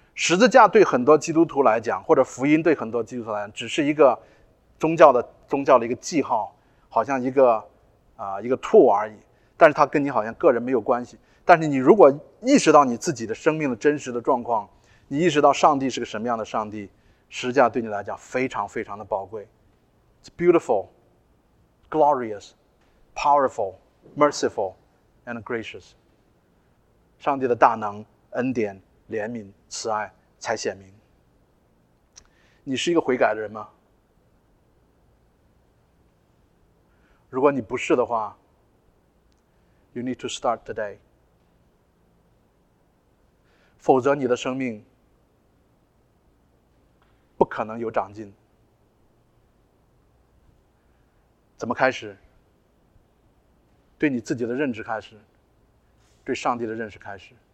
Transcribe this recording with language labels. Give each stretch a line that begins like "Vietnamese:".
Chinese: 十字架对很多基督徒来讲，或者福音对很多基督徒来讲，只是一个宗教的一个记号，好像一个 tool 而已，但是它跟你好像个人没有关系。但是你如果意识到你自己的生命的真实的状况，你意识到上帝是个什么样的上帝，十字架对你来讲非常非常的宝贵。
English: It's beautiful, glorious, powerful, merciful and gracious.
Chinese: 上帝的大能、恩典、怜悯、慈爱才显明。你是一个悔改的人吗？如果你不是的话，
English: You need to start today.
Chinese: 否则你的生命不可能有长进。怎么开始？对你自己的认知开始，对上帝的认识开始。